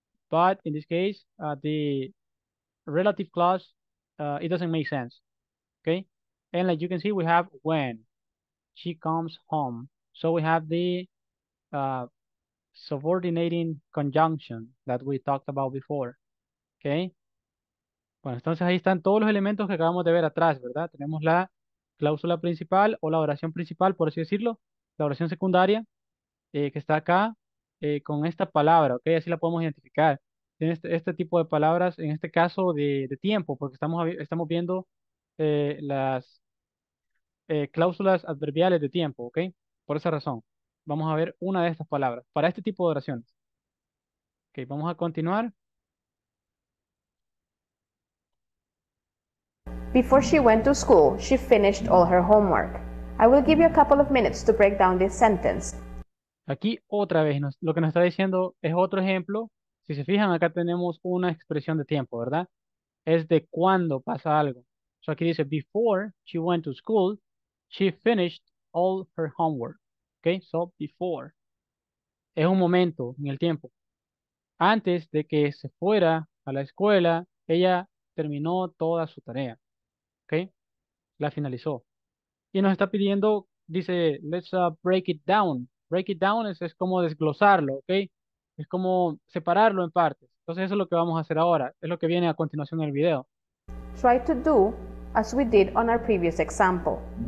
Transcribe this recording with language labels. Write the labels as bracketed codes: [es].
[en] But in this case, the relative clause, it doesn't make sense, okay? And like you can see, we have when she comes home. So we have the subordinating conjunction that we talked about before, okay? [es] Bueno, entonces ahí están todos los elementos que acabamos de ver atrás, ¿verdad? Tenemos la cláusula principal o la oración principal, por así decirlo, la oración secundaria, que está acá con esta palabra, ¿ok? Así la podemos identificar. Tiene este tipo de palabras, en este caso de tiempo, porque estamos viendo las cláusulas adverbiales de tiempo, ¿ok? Por esa razón, vamos a ver una de estas palabras para este tipo de oraciones. Ok, vamos a continuar. [en] Before she went to school, she finished all her homework. I will give you a couple of minutes to break down this sentence. [es] Aquí otra vez, lo que nos está diciendo es otro ejemplo. Si se fijan, acá tenemos una expresión de tiempo, ¿verdad? Es de cuando pasa algo. [en] So [es] aquí dice, [en] before she went to school, she finished all her homework. Okay, so before. [es] Es un momento en el tiempo. Antes de que se fuera a la escuela, ella terminó toda su tarea. Okay, la finalizó. Y nos está pidiendo, dice, [en] let's break it down. Break it down [es] es como desglosarlo, okay? Es como separarlo en partes. Entonces eso es lo que vamos a hacer ahora. Es lo que viene a continuación del video. [en] Try to do as we did on our previous example.